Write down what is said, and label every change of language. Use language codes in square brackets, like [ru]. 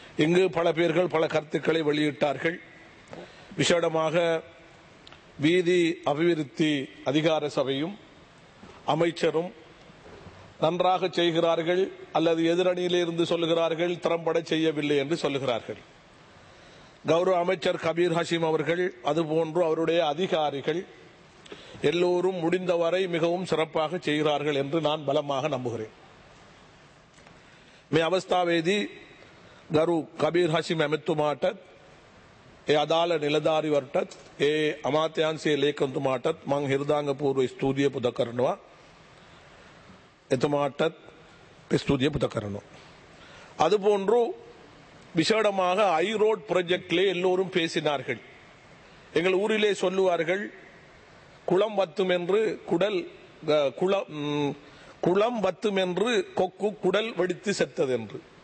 [ta] இங்கு பல பேர்கள் பல கருத்துக்களை வெளியிட்டார்கள். விசேடமாக வீதி அபிவிருத்தி அதிகார சபையும் அமைச்சரும் நன்றாக செய்கிறார்கள் அல்லது எதிரணியிலிருந்து சொல்லுகிறார்கள் திறம்பட செய்யவில்லை என்று சொல்லுகிறார்கள். கௌரவ அமைச்சர் கபீர் ஹஷீம் அவர்கள் அதுபோன்று அவருடைய அதிகாரிகள் எல்லோரும் முடிந்தவரை மிகவும் சிறப்பாக செய்கிறார்கள் என்று நான் பலமாக நம்புகிறேன். [si] මේ අවස්ථාවේදී ගරු කබීර් හෂිම් ඇමතිතුමාටත්, ඒ අදාළ නිලධාරිවරටත්, ඒ අමාත්‍යාංශයේ ලේකම්තුමාටත් මං හිරදාංගපූර්ව ස්තුතිය පුද කරනවා. එතුමාටත් ස්තුතිය පුද කරනවා. [ta] அதுபோன்று விசேடமாக ஐரோட் ப்ரொஜெக்ட்லே எல்லோரும் பேசினார்கள். எங்கள் ஊரிலே சொல்லுவார்கள், குளம் வத்தும் என்று குடல் குளம் குளம் வத்துமென்று கொக்கு குடல் வெடித்து செத்தது என்று.